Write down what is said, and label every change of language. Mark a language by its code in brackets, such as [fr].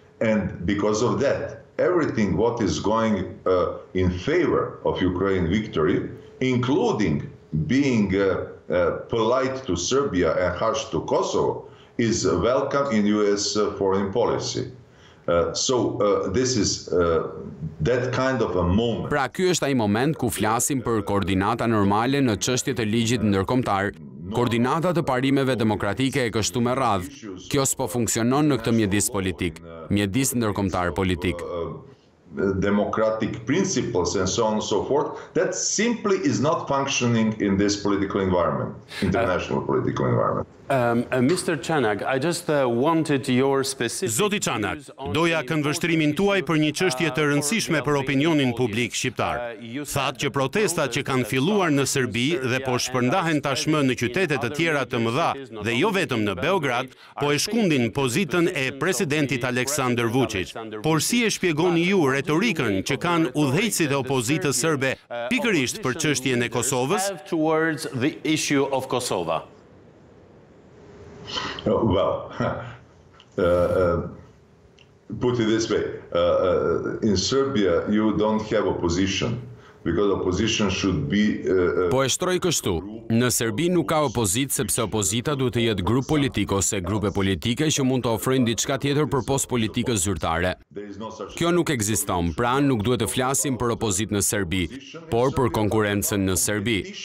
[en] And because of that, everything what is going in favor of Ukraine victory, including being polite to Serbia and harsh to Kosovo, is welcome in US foreign policy. That kind of a moment. [sq] Pra ky është ai moment ku flasim për koordinata normale në çështjet e ligjit ndërkombëtar, koordinata të parimeve demokratike e kështu me radhë. Kjo s'po funksionon në këtë mjedis politik, mjedis ndërkombëtar politik. [en] Democratic principles and so on and so forth, that simply is not functioning in this political environment, international political environment. Mr. Chanak, I just wanted your specific... [sq] Zoti Chanak, doja këndvështrimin tuaj për një çështje të rëndësishme për opinionin publik shqiptar. Thatë që protestat që kanë filluar në Serbi dhe po shpërndahen tashmë në qytetet të tjera të mëdha dhe jo vetëm në Beograd, po e shkundin pozitën e presidentit Aleksandar Vučić. Por si e shpjegoni ju retorikën që kanë udhëheqësit e opozitës serbe pikërisht për çështjen e Kosovës? [en] Well, put it this way, in Serbia you don't have opposition. [sq] Po e shtroj kështu, në Serbi nuk ka opozit sepse opozita duhet të jetë grup politik ose grupe politike që mund të ofrojnë diçka tjetër për pos politikës zyrtare. Kjo nuk ekziston, pra nuk duhet të flasim për opozit në Serbi, por për konkurencën në Serbi.